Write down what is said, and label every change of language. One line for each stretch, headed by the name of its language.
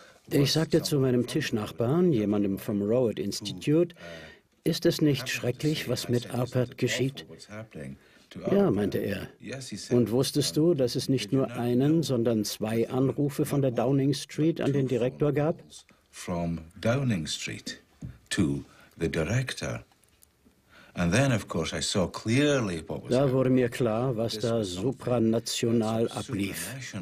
German: Ich sagte zu meinem Tischnachbarn, jemandem vom Rowett Institute, ist es nicht schrecklich, was mit Arpad geschieht? Ja, meinte er. Und wusstest du, dass es nicht nur einen, sondern 2 Anrufe von der Downing Street an den Direktor gab?
English: From Downing Street to the director. And then, of course, I saw clearly what was happening.
German: Da wurde mir klar, was da supranational ablief.